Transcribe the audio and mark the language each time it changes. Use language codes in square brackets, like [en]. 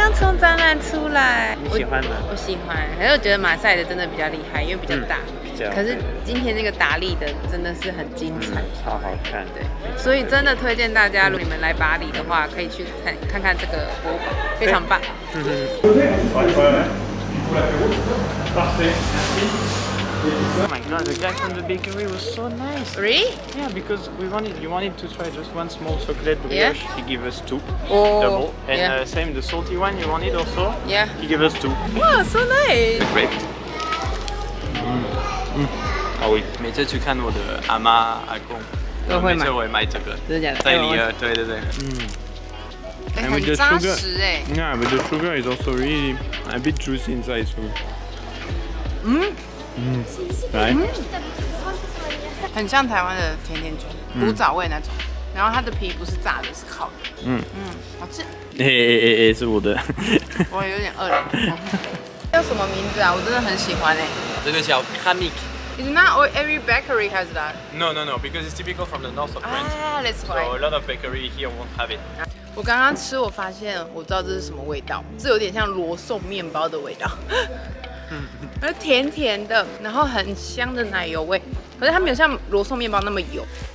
[zh] 我喜欢，可是我觉得马赛的真的比较厉害，因为比较大。可是今天那个达利的真的是很精彩，超好看。对，所以真的推荐大家，如果你们来巴黎的话，可以去看看这个博物馆，非常棒。 [en] Oh my god, the guy from the bakery was so nice. Really? Yeah, because you wanted to try just one small chocolate brioche. Yeah. He gave us two. Oh. Double. And yeah. Same, the salty one you wanted also. Yeah. He gave us two. Wow, so nice. Great. Oh, we [zh] 每次去看我的阿妈阿公，都会买。每次我也买这个。真的假的？在里尔，对对对。 [en] And with the sugar. Yeah, but the sugar is also really a bit juicy inside, so. [zh] 来，很像台湾的甜甜圈，古早味那种。然后它的皮不是炸的，是烤的。好吃。欸，是我的。我有点饿了。叫什么名字啊？我真的很喜欢欸。这个叫 Kamik。 [en] It's not every bakery has that. No, because it's typical from the north of France. Ah, that's why. So a lot of bakery here won't have it. [zh] 我刚刚吃，我发现我知道这是什么味道，是有点像罗宋面包的味道，甜甜的，然后很香的奶油味，可是它没有像罗宋面包那么油。